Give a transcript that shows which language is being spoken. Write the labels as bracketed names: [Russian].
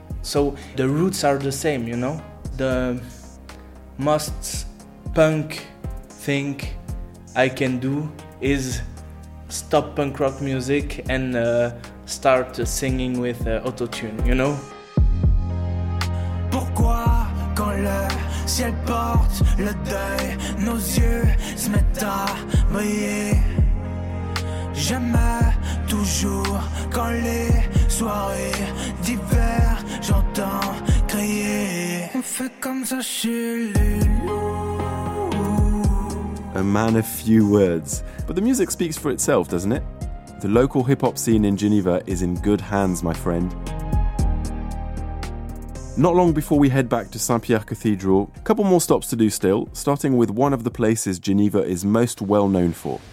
[English] So the roots are the same, you know? The most punk thing I can do is stop punk rock music and start singing with autotune, you know? [French] Pourquoi quand le ciel porte le deuil, nos yeux se mettent à briller. J'aime toujours quand les soirées d'hiver j'entends crier. On fait comme ça chez les loups. [English] A man of few words, but the music speaks for itself, doesn't it? The local hip-hop scene in Geneva is in good hands, my friend. Not long before we head back to Saint-Pierre Cathedral, a couple more stops to do still, starting with one of the places Geneva is most well known for.